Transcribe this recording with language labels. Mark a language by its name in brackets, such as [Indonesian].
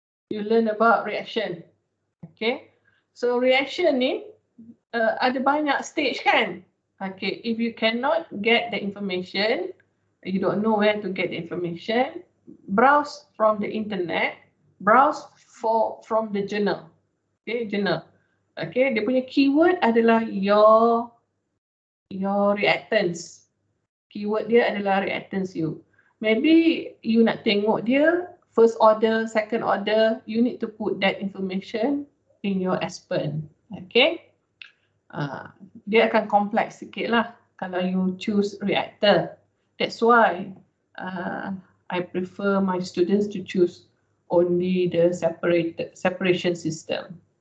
[English] You learn about reaction. Okay. So reaction [Malay] ni ada banyak stage kan? [English] Okay. If you cannot get the information, you don't know where to get the information, browse from the internet, browse for from the journal. Okay, journal. [Malay] Okay, dia punya keyword adalah [English] your reactants. [Malay] Keyword dia adalah reactants you. [English] Maybe you [Malay] nak tengok dia, [English] first order, second order, you need to put that information in your aspirin. Okay. [Malay] Dia akan complex sikit lah kalau [English] you choose reactor. That's why I prefer my students to choose only the separation system.